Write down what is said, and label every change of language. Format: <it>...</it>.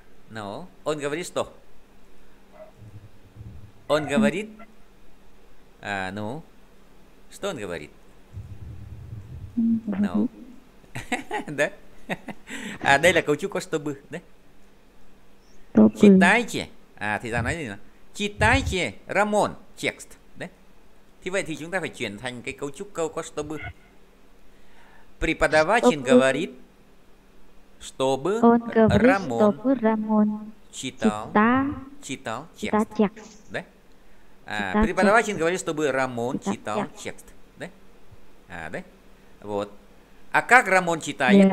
<ru>No, он говорит что? Он говорит, ну, что он говорит? No. Да?</ru> <vi>А đây là câu chúc có чтобы, да? Читайте. À, thì ra nói gì nữa?</vi> <ru>Читайте, Рамон, текст.</ru> <vi>Đấy. Thì vậy thì chúng ta phải chuyển thành cái cấu trúc câu có чтобы.</vi> <ru>Преподаватель говорит, чтобы Он говорит, Рамон чтобы Рамон читал текст. Да? А, преподаватель говорит, чтобы Рамон читал читал текст. текст. Да? А, да? Вот. А как Рамон читает?</ru>